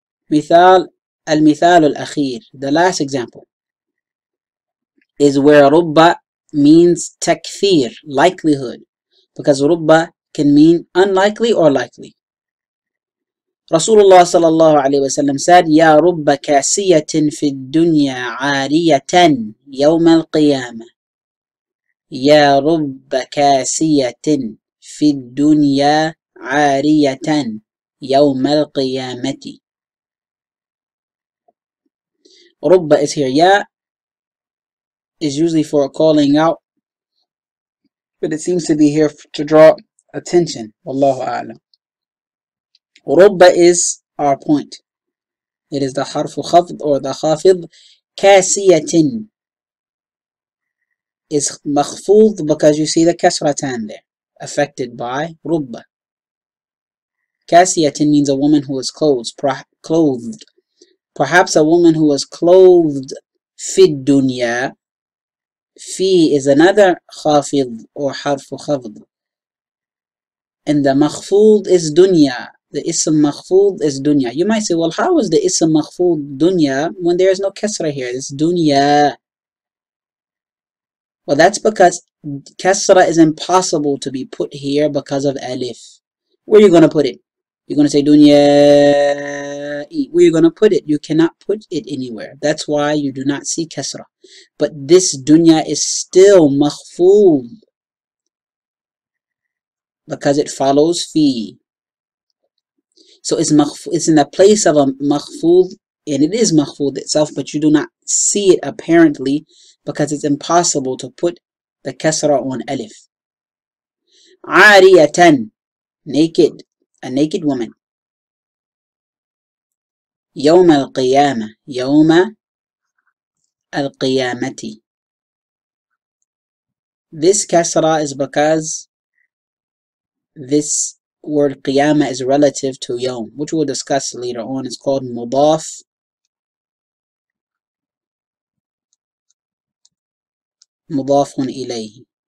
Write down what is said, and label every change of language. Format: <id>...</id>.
<ar>Mithal, al-mithal al-akhir,</ar> <en>the last example. Is where rubba means takthir, likelihood, because rubba can mean unlikely or likely.</en> <ar>رسول الله صلى الله عليه وسلم</ar> <en>said,</en> <ar>يا رب كاسية في الدنيا عارية يوم القيامة. يا رب كاسية في الدنيا عارية يوم القيامة.</ar> <en>رب is here. Ya is usually for calling out, but it seems to be here to draw attention.</en> <ar>Wallahu a'lam.</ar> <en>رب is our point. It is the حرف خفض or the خافض. كاسية is مخفوض because you see the كسرتان there, affected by رب. كاسية means a woman who is clothed. Perhaps a woman who was clothed</en> <ar>في الدنيا.</ar> <en>في is another خافض or حرف خفض. And the مخفوض is دنيا. The ism مخفوض is دنيا. You might say, well, how is the ism مخفوض دنيا when there is no كسرة here? It's دنيا. Well, that's because كسرة is impossible to be put here because of ألف. Where are you going to put it? You're going to say دنيا. Where are you going to put it? You cannot put it anywhere. That's why you do not see كسرة. But this دنيا is still مخفوض because it follows في. So it's in the place of a مخفوض, and it is مخفوض itself, but you do not see it apparently because it's impossible to put the كسرة on ألف. عارية, naked, a naked woman.</en> <ar>يوم القيامة, يوم القيامة.</ar> <en>This كسرة is because this word qiyama is relative to yom, which we'll discuss later on. It's called mudaf mudafun ilayhi.</en>